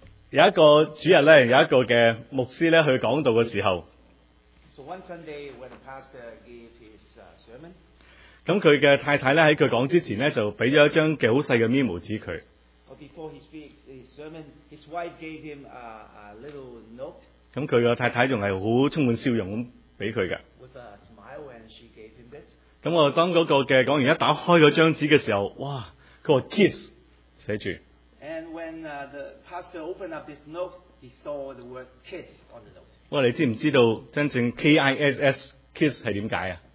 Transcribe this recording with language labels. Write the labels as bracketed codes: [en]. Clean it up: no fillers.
[yue] 有一個主日咧，有一個嘅牧師咧，去講道嘅時候， [en] so one Sunday when the pastor gave his sermon， [yue] 咁佢嘅太太咧喺佢講之前咧，就俾咗一張嘅好細嘅 memo 紙佢。 [en] Before he speaks his sermon, his wife gave him a little note。 [yue] 咁佢嘅太太仲係好充滿笑容咁俾佢嘅。 [en] With a smile when she gave him this。 [yue] 咁我當嗰個嘅講員一打開嗰張紙嘅時候，哇！佢話 kiss。寫住, [en] and when the pastor opened up this note, he saw the word kiss on the note. [yue] 哇，你知唔知道真正 kiss kiss 係點解啊？